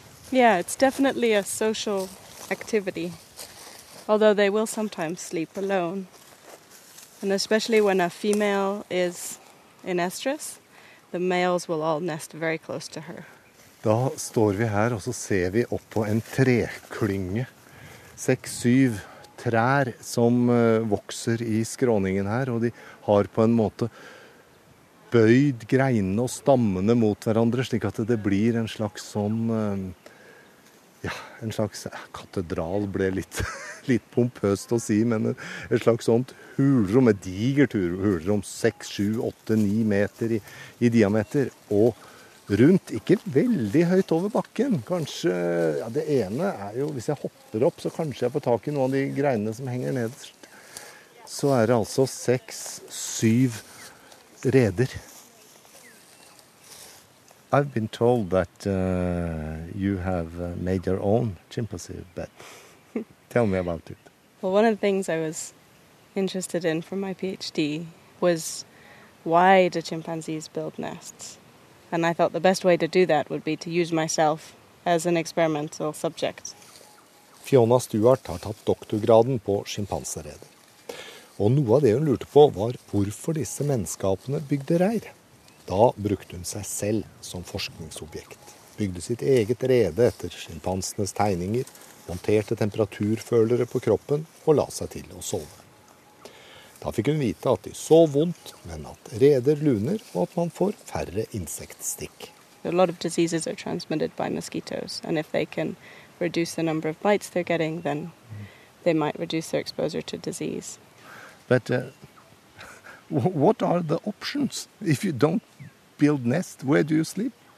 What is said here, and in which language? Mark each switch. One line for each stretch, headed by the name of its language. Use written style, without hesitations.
English: Yeah, it's definitely a social activity. Although they will sometimes sleep alone. And especially when a female is in estrus, the males will all nest very close to her.
Norwegian: Da står vi her og så ser vi opp på en treklynge. 6-7 trær som vokser i skråningen her, og de har på en måte bøyd greinene og stammene mot hverandre, slik at det blir en slags sånn, ja, en slags katedral, ble litt pompøst å si, men et slags sånt hulrom, et digert hulrom, 6, 7, 8, 9 meter i diameter, og rundt, ikke veldig høyt over bakken, kanskje, ja, det ene er jo, hvis jeg hopper opp, så kanskje jeg får tak i noen av de greinene som henger nederst, så er det altså 6-7 reder.
English: I've been told that you have made your own chimpanzee bed. Tell me about it. Well, one of the things I was interested in for my PhD was why do chimpanzees build nests? And I thought the best way to do that would be to use myself as an experimental subject.
Norwegian: Fiona Stewart har tatt doktorgraden på skimpanseredet. Og noe av det hun lurte på var hvorfor disse menneskeapene bygde reir. Da brukte hun seg selv som forskningsobjekt. Bygde sitt eget rede etter skimpansenes tegninger, monterte temperaturfølere på kroppen og la seg til å sove. Da fikk hun vite at de sov vondt, men at reder luner og at man får færre insektstikk.
English: A lot of diseases are transmitted by mosquitoes, and if they can reduce the number of bites they're getting, then they might reduce their exposure to disease. But what are the options? If you don't build nest, where do you sleep?